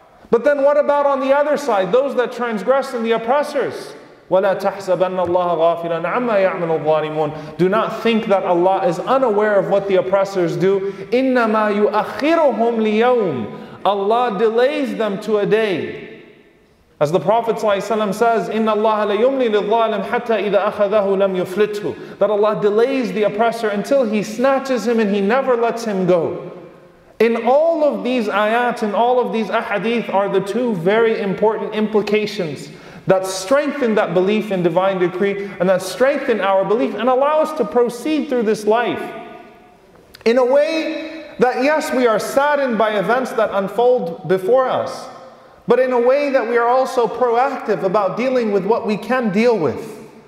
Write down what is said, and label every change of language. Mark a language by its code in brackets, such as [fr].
[en] But then what about on the other side, those that transgress and the oppressors? [ar] وَلَا تَحْسَبَنَّ اللَّهَ غَافِلًا عَمَّا يَعْمَلُ الظَّالِمُونَ. [en] Do not think that Allah is unaware of what the oppressors do. [ar] إِنَّمَا يُؤَخِّرُهُمْ لِيَوْمٍ. [en] Allah delays them to a day. As the Prophet ﷺ says, [ar] إِنَّ اللَّهَ لَيُمْلِي لِلظَّالِمْ حَتَّى إِذَا أَخَذَهُ لَمْ يُفْلِتْهُ. [en] That Allah delays the oppressor until He snatches him and He never lets him go. In all of these ayat, in all of these ahadith, are the two very important implications that strengthen that belief in divine decree and that strengthen our belief and allow us to proceed through this life in a way that, yes, we are saddened by events that unfold before us, but in a way that we are also proactive about dealing with what we can deal with.